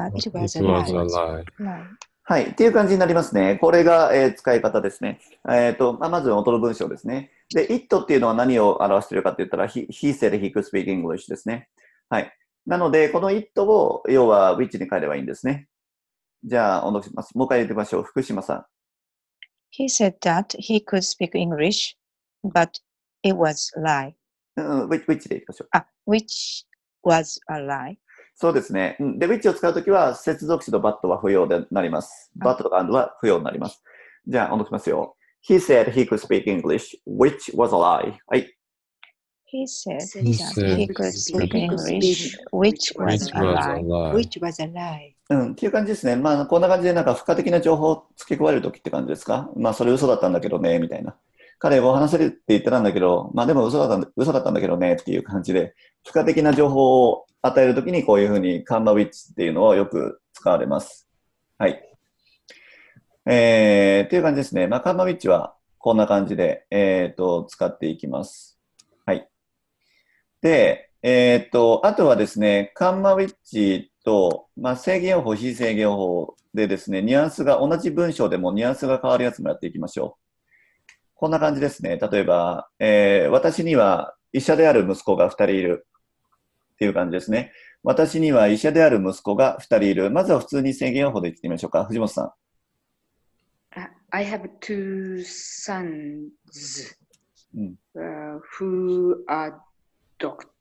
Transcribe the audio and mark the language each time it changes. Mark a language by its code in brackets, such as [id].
[en] He said he could speak English, but it was a lie. [ja] はい、っていう感じになりますね。これが、使い方ですね。まず元の文章ですね。で、it っていうのは何を表しているかって言ったら、 [en] he said he could speak English [ja] ですね。はい。なので、この it を要は which に変えればいいんですね。じゃあ、お願いします。もう一回言ってみましょう。福島さん。 [en] He said that he could speak English, but it was a lie. [ja] Which でいきましょう。 [en] あ、which was a lie. [ja] そうですね。で、which を使うときは、接続詞の but は不要になります。 but と and は不要になります。じゃあ、お願いしますよ。 [en] He said he could speak English, which was a lie. はい。 He said that he could speak English, which was a lie. [ja] うん、っていう感じですね。まあ、こんな感じで、なんか、付加的な情報を付け加えるときって感じですか。まあ、それ嘘だったんだけどね、みたいな。彼を話せるって言ってたんだけど、まあ、でも嘘だったんだけどね、っていう感じで、付加的な情報を与えるときに、こういうふうに、カンマウィッチっていうのをよく使われます。はい。っていう感じですね。まあ、カンマウィッチは、こんな感じで、使っていきます。はい。で、あとはですね、カンマウィッチ、と、まあ、制限法、非制限法でですね、ニュアンスが同じ文章でもニュアンスが変わるやつもやっていきましょう。こんな感じですね。例えば、私には医者である息子が2人いるっていう感じですね。私には医者である息子が2人いる。まずは普通に制限法で言ってみましょうか。藤本さん。 [en] I have two sons、うん、who are doctors